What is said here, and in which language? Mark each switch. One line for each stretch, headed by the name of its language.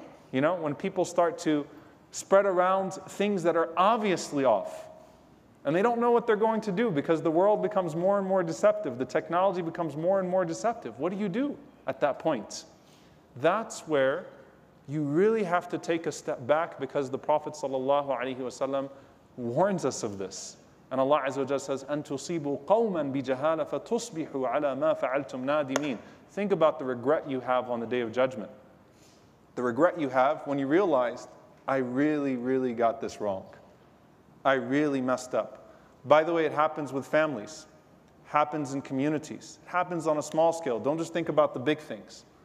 English: You know, when people start to spread around things that are obviously off, and they don't know what they're going to do because the world becomes more and more deceptive, the technology becomes more and more deceptive. What do you do at that point? That's where you really have to take a step back, because the Prophet ﷺ warns us of this. And Allah Azza wa Jalla says,
Arabic: "أَن تُصِيبُوا قَوْمًا بِجَهَالَةٍ فَتُصْبِحُوا عَلَى مَا فَعَلْتُمْ نَادِمِينَ."
English: Think about the regret you have on the Day of Judgment. The regret you have when you realized, I really, really got this wrong. I really messed up. By the way, it happens with families. Happens in communities. It happens on a small scale. Don't just think about the big things.